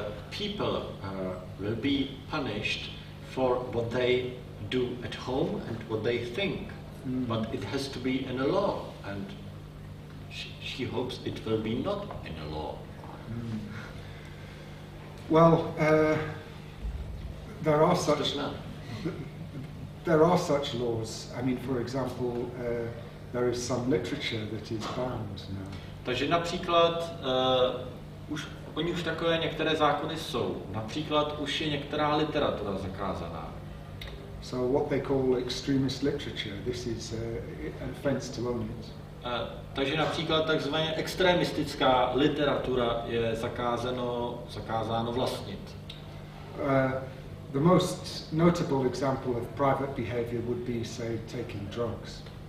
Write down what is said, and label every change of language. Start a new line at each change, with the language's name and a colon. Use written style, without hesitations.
English: People will be punished for what they do at home and what they think, but it has to be in a law, and she hopes it will be not in a law. Well, there are such laws. I mean, for example, there is some literature that is banned now.
Czech: Takže například už oni už takové některé zákony jsou. Například už je některá literatura zakázaná.
English: So what they call extremist literature, this is an offence to own it.
Czech: Takže například takzvaně extremistická literatura je zakázáno vlastnit.
English: The most notable example of private behavior would be say taking drugs.